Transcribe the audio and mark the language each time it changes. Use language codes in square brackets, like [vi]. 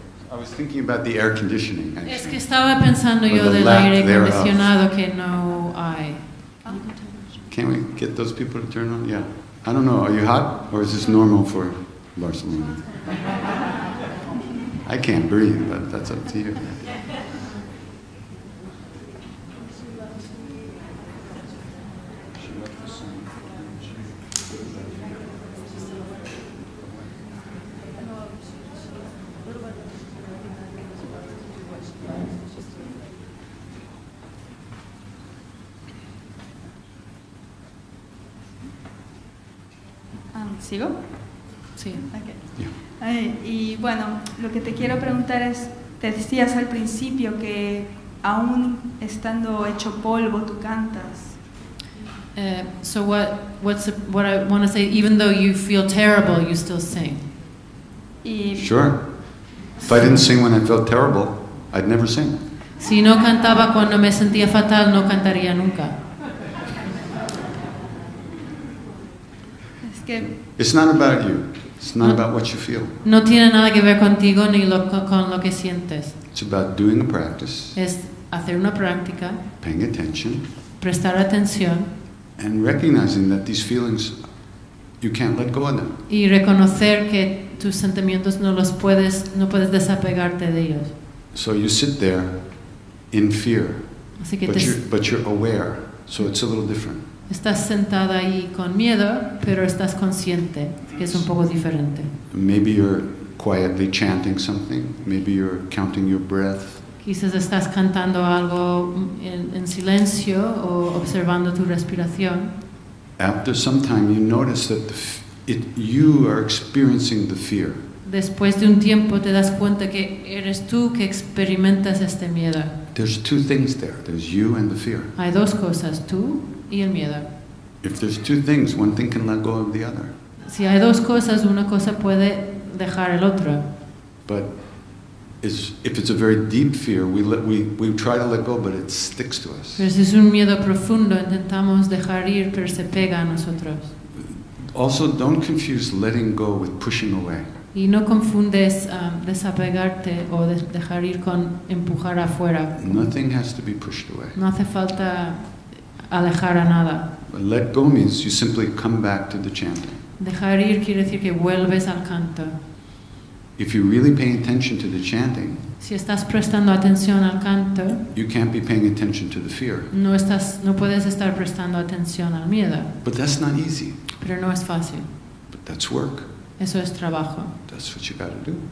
[en] I was thinking about the air conditioning, actually. [es] Es que estaba pensando yo del aire acondicionado que no hay. [en] Can we get those people to turn on? Yeah. I don't know, are you hot? Or is this normal for Barcelona? I can't breathe, but that's up to you. [es] ¿Sigo? Sí. [en] Okay. [es] Y bueno, lo que te quiero preguntar es, te decías al principio que aún estando hecho polvo, tú cantas. [en] So what I want to say, even though you feel terrible, you still sing. Sure. If I didn't sing when I felt terrible, I'd never sing. [es] Si no cantaba cuando me sentía fatal, no cantaría nunca. Es que... [en] It's not about you. It's not about what you feel. [es] No tiene nada que ver contigo ni con lo que sientes. [en] It's about doing a practice. [es] Es hacer una práctica. [en] Paying attention. [es] Prestar atención. [en] And recognizing that these feelings, you can't let go of them. [es] Y reconocer que tus sentimientos no puedes desapegarte de ellos. [en] So you sit there in fear. [es] Así que [en] but you're aware. So it's a little different. [es] Estás sentada ahí con miedo, pero estás consciente, que es un poco diferente. [en] Maybe you're quietly chanting something. Maybe you're counting your breath. [es] Quizás estás cantando algo en silencio o observando tu respiración. [en] After some time, you notice that you are experiencing the fear. [es] Después de un tiempo, te das cuenta que eres tú que experimentas este miedo. [en] There's two things there. There's you and the fear. [es] Hay dos cosas, tú. Y el miedo. [en] If there's two things, one thing can let go of the other. [es] Si hay dos cosas, una cosa puede dejar el otro. [en] But if it's a very deep fear, we try to let go, but it sticks to us. [es] Pero si es un miedo profundo, intentamos dejar ir, pero se pega a nosotros. [en] Also, don't confuse letting go with pushing away. [es] Y no confundes desapegarte o dejar ir con empujar afuera. [en] Nothing has to be pushed away. [es] No hace falta alejar a nada. [en] Let go means you simply come back to the chanting. [es] Dejar ir quiere decir que vuelves al canto. [en] If you really pay attention to the chanting, [es] si estás prestando atención al canto, [en] you can't be paying attention to the fear. [es] No puedes estar prestando atención al miedo. [en] But that's not easy. [es] Pero no es fácil. [en] But that's work. [es] Eso es trabajo. [en] That's what you got to do.